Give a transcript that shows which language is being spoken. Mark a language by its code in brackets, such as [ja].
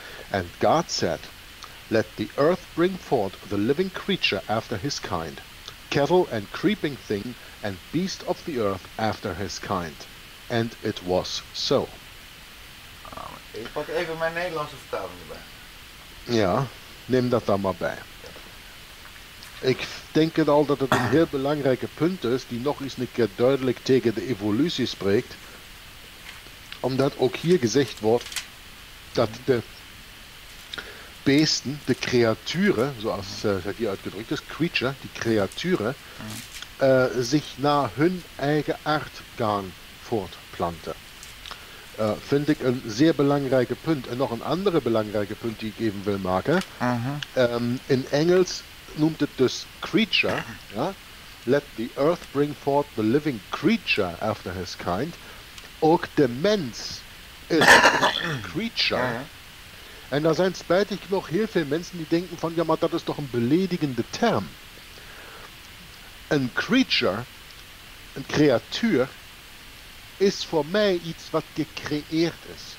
[en] And God said, let the earth bring forth the living creature after his kind, cattle and creeping thing, and beast of the earth after his kind. And it was so. [nl] Ik pak even mijn Nederlandse vertaling erbij. Ja, neem dat dan maar bij. Ik denk het al dat het een heel belangrijke punt is, die nog eens een keer duidelijk tegen de evolutie spreekt, omdat ook hier gezegd wordt dat de beesten, de creaturen, zoals hier uitgedrukt is, creature, die creaturen, zich naar hun eigen aard gaan voortplanten. Vind ik een zeer belangrijke punt. En nog een andere belangrijke punt die ik even wil maken. In Engels noemt het dus creature. Ja? [en] Let the earth bring forth the living creature after his kind. [nl] Ook de mens is creature. En daar zijn spijtig nog heel veel mensen die denken van, ja maar dat is toch een beledigende term. Een creature, een creatuur, is voor mij iets wat gecreëerd is.